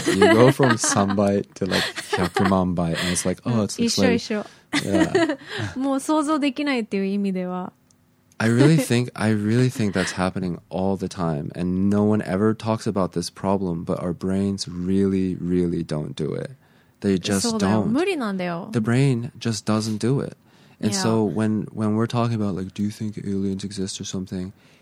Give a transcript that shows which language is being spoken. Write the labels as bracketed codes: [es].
[en] You go from sunbite to like 100万倍 and it's like, oh, it's like... [ja] 一緒一緒。 [en] Yeah. [ja] もう想像できないっていう意味では。 [en] I really think that's happening all the time and no one ever talks about this problem, but our brains really, really don't do it. They just don't. [ja] 無理なんだよ。 [en] The brain just doesn't do it. And yeah. so when we're talking about like, do you think aliens exist or something...